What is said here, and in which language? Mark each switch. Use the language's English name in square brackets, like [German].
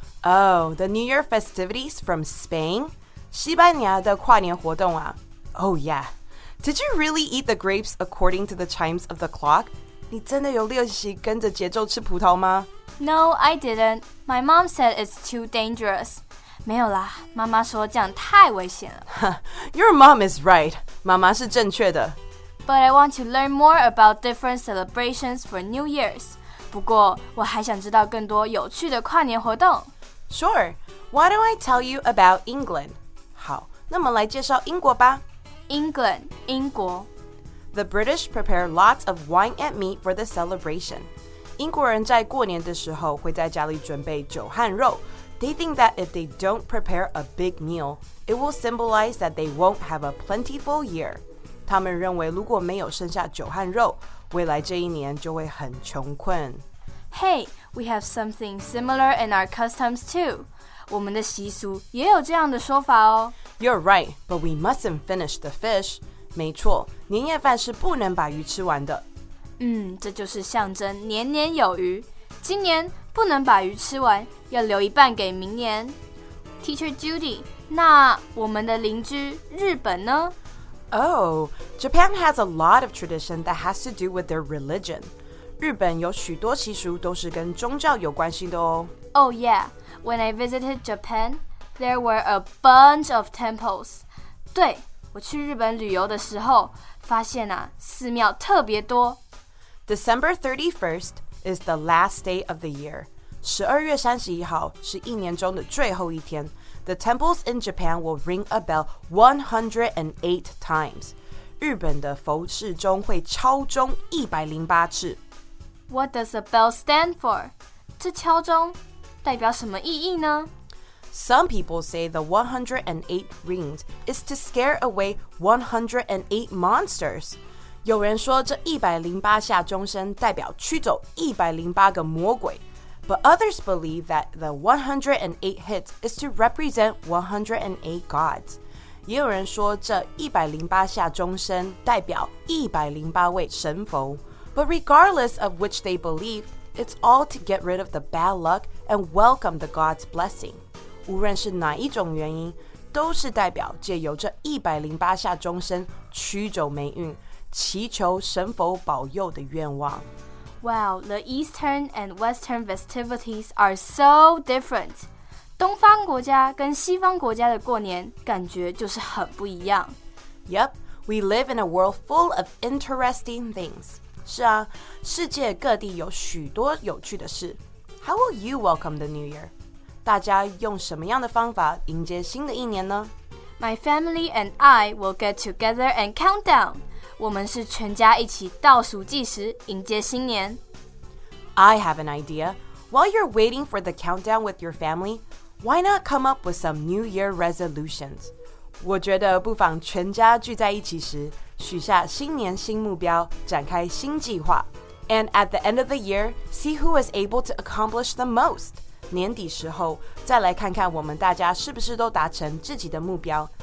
[English] Oh, the new year festivities from Spain [Chinese] 西班牙的跨年活动啊 [English] Oh yeah Did you really eat the grapes according to the chimes of the clock? [Chinese] 你真的有练习跟着节奏吃葡萄吗? [English] No, I didn't. My mom said it's too dangerous. [Chinese] 没有啦,妈妈说这样太危险了。 [English] Your mom is right. [Chinese] 妈妈是正确的。 [English] But I want to learn more about different celebrations for New Year's. [Chinese] 不过,我还想知道更多有趣的跨年活动。 [English] Sure. Why don't I tell you about England? [Chinese] 好,那么来介绍英国吧。 [English] England, 英国 The British prepare lots of wine and meat for the celebration. [Chinese] 英国人在过年的时候会在家里准备酒和肉 [English] They think that if they don't prepare a big meal, it will symbolize that they won't have a plentiful year. [Chinese] 他们认为如果没有剩下酒和肉未来这一年就会很穷困 [English] Hey, we have something similar in our customs too. [Chinese] 我们的习俗也有这样的说法哦。 [English] You're right, but we mustn't finish the fish. [Chinese] 没错，年夜饭是不能把鱼吃完的。嗯，这就是象征年年有余。今年不能把鱼吃完，要留一半给明年。 Teacher Judy, 那我们的邻居日本呢 [English] ？Oh, Japan has a lot of tradition that has to do with their religion. [Chinese] 日本有许多习俗都是跟宗教有关系的哦。 [English] Oh yeah. When I visited Japan, there were a bunch of temples. [Chinese] 对，我去日本旅游的时候，发现啊，寺庙特别多。 [English] December 31st is the last day of the year. [Chinese] 12月31号是一年中的最后一天。 [English] The temples in Japan will ring a bell 108 times. [Chinese] 日本的佛寺钟会敲钟108次。 [English] What does a bell stand for? [Chinese] 这敲钟代表什么意义呢? [English] Some people say the 108 rings is to scare away 108 monsters. [Chinese] 有人说这108下钟声代表驱走108个魔鬼。 [English] But others believe that the 108 hits is to represent 108 gods. [Chinese] 也有人说这108下钟声代表108位神佛。 [English] But regardless of which they believe,It's all to get rid of the bad luck and welcome the God's blessing. [Chinese] 无论是哪一种原因，都是代表借由这108下钟声驱走霉运，祈求神佛保佑的愿望。 [English] Wow, the Eastern and Western festivities are so different. [Chinese] 东方国家跟西方国家的过年感觉就是很不一样。 [English] Yep, we live in a world full of interesting things. [Chinese] 是啊，世界各地有许多有趣的事。 [English] How will you welcome the new year? [Chinese] 大家用什么样的方法迎接新的一年呢? [English] My family and I will get together and count down. [Chinese] 我们是全家一起倒数计时迎接新年。 [English] I have an idea. While you're waiting for the countdown with your family, why not come up with some new year resolutions? [Chinese] 我觉得不妨全家聚在一起时许下新年新目标，展开新计划。 [English] And at the end of the year, see who is able to accomplish the most. [Chinese] 年底时候，再来看看我们大家是不是都达成自己的目标。